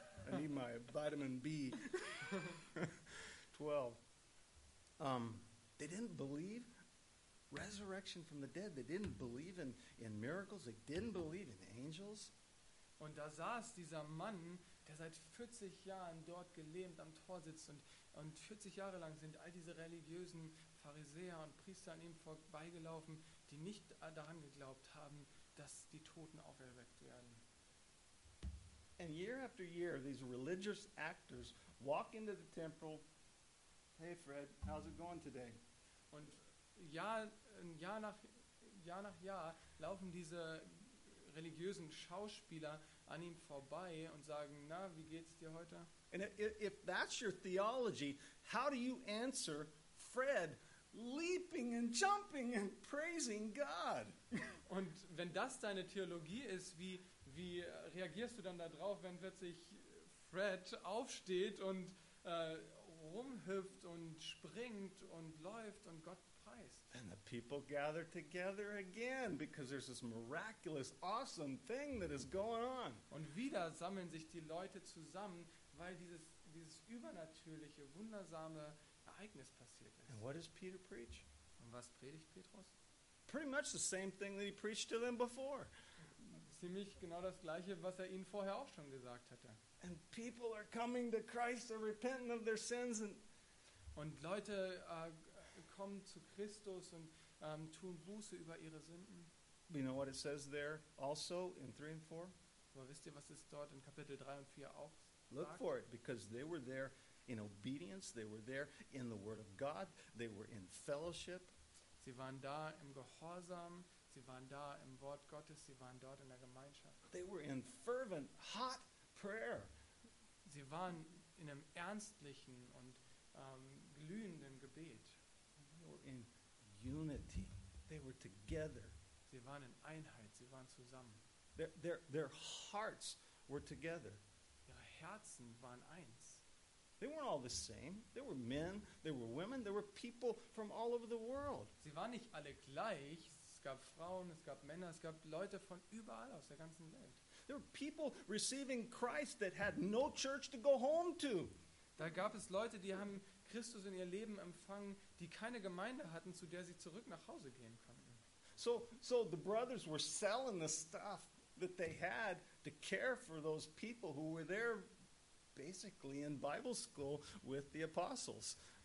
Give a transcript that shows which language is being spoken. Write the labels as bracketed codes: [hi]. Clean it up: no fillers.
[en] I need my vitamin B. 12. They didn't believe resurrection from the dead. They didn't believe in miracles. They didn't believe in angels. [de] Und da saß dieser Mann, der seit 40 Jahren dort gelähmt am Tor sitzt und 40 Jahre lang sind all diese religiösen Pharisäer und Priester an ihm vorbeigelaufen, die nicht daran geglaubt haben, dass die Toten auferweckt werden. [en] And year after year, these religious actors walk into the temple. Hey Fred, how's it going today? [de] Und Jahr nach Jahr laufen diese religiösen Schauspieler an ihm vorbei und sagen, na, wie geht's dir heute? [en] And if that's your theology, how do you answer Fred leaping and jumping and praising God? [de] Und wenn das deine Theologie ist, wie reagierst du dann darauf, wenn plötzlich Fred aufsteht und rumhüpft und springt und läuft und Gott preist? [en] And the people gather together again because there's this miraculous, awesome thing that is going on. [de] Und wieder sammeln sich die Leute zusammen, weil dieses übernatürliche, wundersame Ereignis passiert ist. [en] And what does Peter preach? [de] Und was predigt Petrus? [en] pretty much the same thing that he preached to them before. [de] Ziemlich genau das gleiche, was er ihnen vorher auch schon gesagt hatte. [en] And people are coming to Christ, they're repenting of their sins, and [de] Leute kommen zu Christus und tun Buße über ihre Sünden. [en] You know what it says there also in 3 and 4? [de] Aber wisst ihr, was es dort in Kapitel 3 und 4 auch sagt? [en] Look for it, because they were there in obedience, they were there in the word of God, they were in fellowship. [de] Sie waren da im Gehorsam, sie waren da im Wort Gottes, sie waren dort in der Gemeinschaft. [en] They were in fervent, hot prayer. [de] Sie waren in einem ernstlichen und glühenden Gebet. [en] They were in unity. They were together. [de] Sie waren in Einheit, sie waren zusammen. [en] Their hearts were together. [de] Ihre Herzen waren eins. [en] They weren't all the same. There were men, there were women, there were people from all over the world. [de] Sie waren nicht alle gleich. Es gab Frauen, es gab Männer, es gab Leute von überall aus der ganzen Welt. [en] There were people receiving Christ that had no church to go home to. [de] Da gab es Leute, die haben Christus in ihr Leben empfangen, die keine Gemeinde hatten, zu der sie zurück nach Hause gehen konnten. [en] So the brothers were selling the stuff that they had to care for those people who were there basically in Bible school with the apostles.